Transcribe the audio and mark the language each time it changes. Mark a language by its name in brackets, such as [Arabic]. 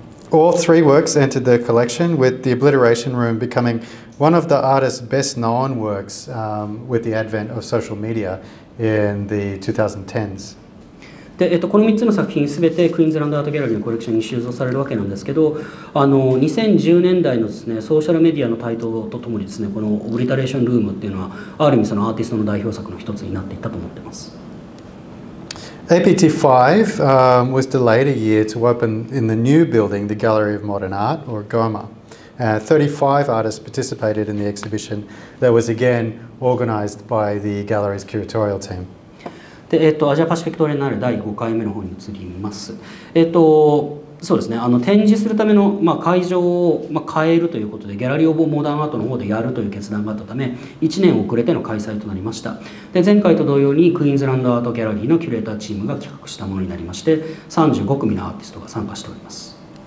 [English] All three works entered the collection, with the Obliteration Room becoming one of the artist's best known works, with the advent of social media in the 2010s. [Japanese] で、この3つの作品すべてクイーンズランドアートギャラリーのコレクションに収蔵されるわけなんですけど、2010年代のですね、ソーシャルメディアの台頭とともにですね、このObliteration Roomっていうのはある意味そのアーティストの代表作の一つになっていったと思ってます。 [English] APT 5 was delayed a year to open in the new building, the Gallery of Modern Art, or GOMA. 35 artists participated in the exhibition that was again organized by the gallery's curatorial team. [Japanese] で、アジアパシフィックトリエンナーレ第5回目の方に移ります。そうですね、展示するための、まあ、会場を、まあ、変えるということでギャラリーオブモダンアートの方でやるという決断があったため1年遅れての開催となりました。で前回と同様にクイーンズランドアートギャラリーのキュレーターチームが企画したものになりまして35組のアーティストが参加しております。